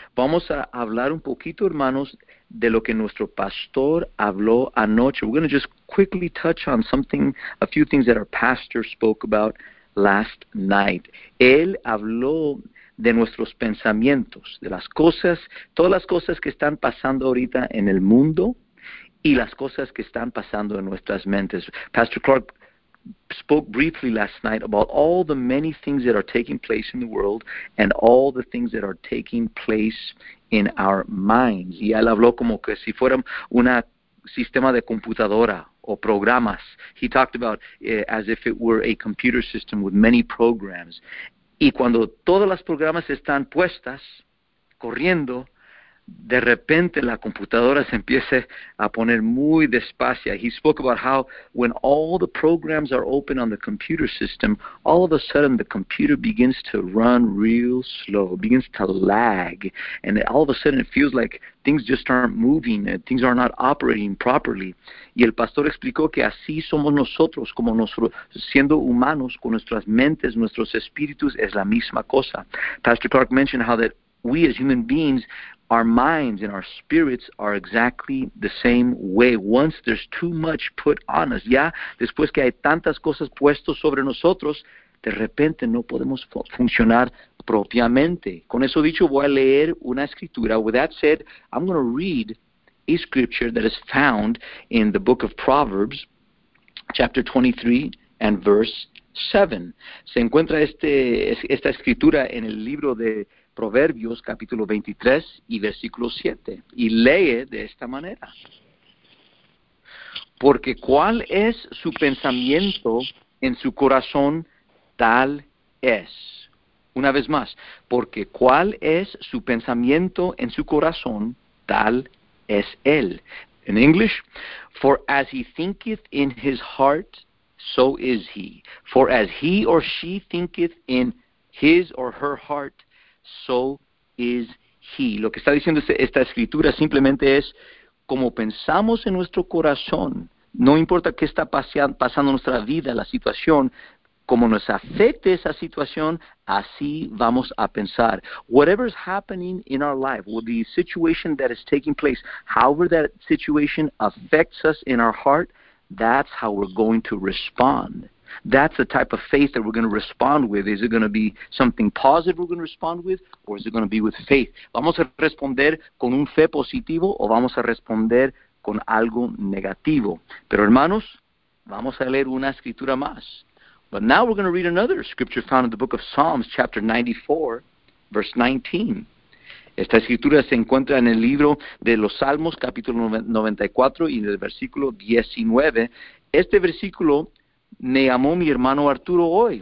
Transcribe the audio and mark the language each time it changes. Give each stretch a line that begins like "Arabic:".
Spanish: Vamos a hablar un poquito, hermanos, de lo que nuestro pastor habló anoche.
English: We're going to just quickly touch on something, a few things that our pastor spoke about last night.
Spanish: Él habló de nuestros pensamientos, de las cosas, todas las cosas que están pasando ahorita en el mundo y las cosas que están pasando en nuestras mentes.
English: Pastor Clark spoke briefly last night about all the many things that are taking place in the world and all the things that are taking place in our minds.
Spanish: Y él habló como que si fuera un sistema de computadora o programas.
English: He talked about as if it were a computer system with many programs.
Spanish: Y cuando todas las programas están puestas, corriendo, de repente la computadora se empieza a poner muy despacio.
English: He spoke about how when all the programs are open on the computer system, all of a sudden the computer begins to run real slow, begins to lag, and all of a sudden it feels like things just aren't moving and things are not operating properly.
Spanish: Y el pastor explicó que así somos nosotros, como nosotros, siendo humanos, con nuestras mentes, nuestros espíritus, es la misma cosa.
English: Pastor Clark mentioned how that we as human beings, our minds and our spirits are exactly the same way. Once there's too much put on us,
Spanish: ya después que hay tantas cosas puestas sobre nosotros, de repente no podemos funcionar propiamente. Con eso dicho, voy a leer una escritura.
English: With that said, I'm going to read a scripture that is found in the book of Proverbs, chapter 23 and verse 7.
Spanish: Se encuentra esta escritura en el libro de Proverbios capítulo 23 y versículo 7, y lee de esta manera. Porque cuál es su pensamiento en su corazón, tal es. Una vez más, porque cuál es su pensamiento en su corazón, tal es él.
English: In English, for as he thinketh in his heart, so is he. For as he or she thinketh in his or her heart, so is he.
Spanish: Lo que está diciendo esta escritura simplemente es como pensamos en nuestro corazón, no importa qué está pasando en nuestra vida, la situación, como nos afecte esa situación, así vamos a pensar.
English: Whatever is happening in our life, well, the situation that is taking place, however that situation affects us in our heart, that's how we're going to respond. That's the type of faith that we're going to respond with. Is it going to be something positive we're going to respond with, or is it going to be with faith?
Spanish: ¿Vamos a responder con un fe positivo o vamos a responder con algo negativo? Pero hermanos, vamos a leer una escritura más.
English: But now we're going to read another scripture found in the book of Psalms, chapter 94, verse 19.
Spanish: Esta escritura se encuentra en el libro de los Salmos, capítulo 94 y en el versículo 19. Este versículo me llamó mi hermano Arturo hoy.